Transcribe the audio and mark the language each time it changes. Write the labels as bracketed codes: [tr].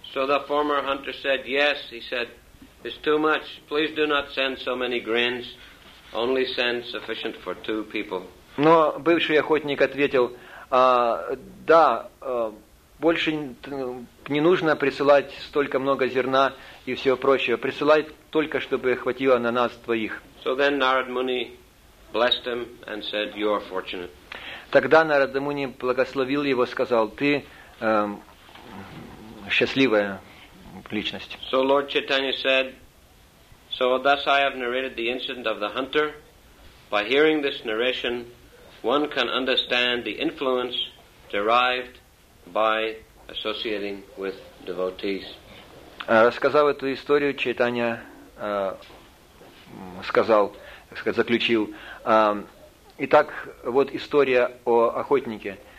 [en] So the former hunter said, yes, he said, it's too much, please do not send so many grains, only send sufficient for two people. [ru] Но бывший охотник ответил, да, больше не нужно присылать столько много зерна и всего прочего. Присылай только, чтобы хватило на нас двоих. [en] So then Narad Muni blessed him and said, you are fortunate. [ru] Тогда Нарада Муни благословил его, сказал, ты счастливая личность. [en] So Lord Chaitanya said, so thus I have narrated the incident of the hunter. By hearing this narration, one can understand the influence derived by associating with devotees. [ru] Рассказав эту историю, Чайтанья сказал, так сказать, заключил. Итак, вот история о охотнике.